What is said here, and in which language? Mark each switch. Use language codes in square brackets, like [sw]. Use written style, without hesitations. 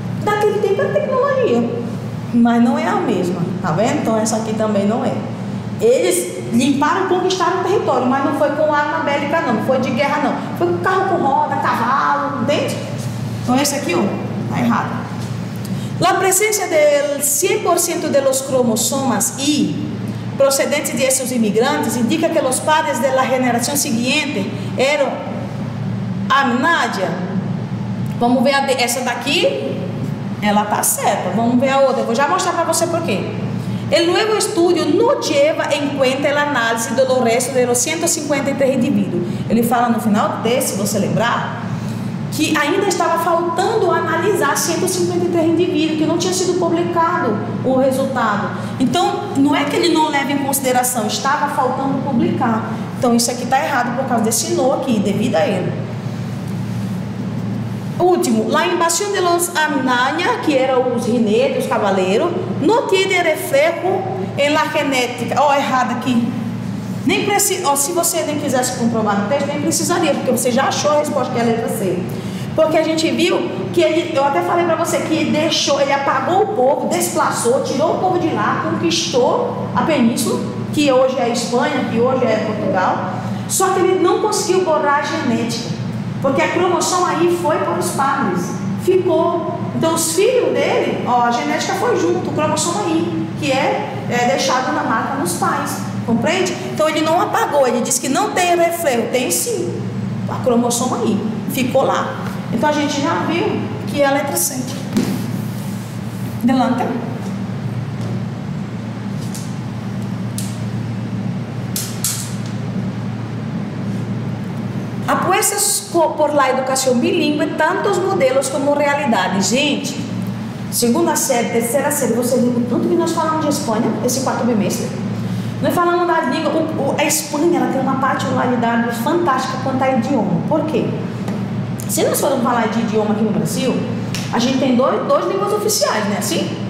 [pt] daquele tempo é tecnologia, mas não é a mesma, tá vendo? Então essa aqui também não é. Eles limparam e conquistaram o território, mas não foi com arma bélica não, não foi de guerra não, foi com carro com roda, cavalo, entende? Então esse aqui, ó, tá errado. [es] La presencia del 100% de los cromosomas Y procedentes de esos inmigrantes indica que los padres de la generación siguiente eran amnadia. [pt] Vamos ver essa daqui, ela está certa. Vamos ver a outra, eu vou já mostrar para você por quê. [es] El nuevo estudio no lleva en cuenta el análisis de los restos de los 153 individuos. [pt] Ele fala no final desse, se você lembrar, que ainda estava faltando analisar 153 indivíduos, que não tinha sido publicado o resultado. Então, não é que ele não leve em consideração, estava faltando publicar. Então, isso aqui está errado por causa desse no aqui, devido a ele. [es] Último, la invasión de los Amnania, [pt] que era os rinedos, os cavaleiros, [es] no tiene reflejo en la genética. [pt] Ó, errado aqui. Nem precisa, se você nem quisesse comprovar no texto, nem precisaria, porque você já achou a resposta que é a letra C. Porque a gente viu que ele, eu até falei para você, que ele deixou, ele apagou o povo, desplaçou, tirou o povo de lá, conquistou a península, que hoje é a Espanha, que hoje é Portugal. Só que ele não conseguiu borrar a genética, porque a cromossoma aí foi para os padres, ficou. Então os filhos dele, ó, a genética foi junto, o cromossoma aí, que é deixado na marca nos pais. Compreende? Então ele não apagou, ele disse que não tem reflexo, tem sim a cromossoma aí, ficou lá. Então a gente já viu que é a letra C. [es] Delante. Apuestas por la educación bilingüe, tantos modelos como realidade. [pt] Gente, segunda série, terceira série, você lembra tanto que nós falamos de Espanha, esse quarto bimestre? Nós falamos da língua, a Espanha, ela tem uma particularidade fantástica quanto a idioma. Por quê? Se nós formos falar de idioma aqui no Brasil, a gente tem dois línguas oficiais, né? Assim?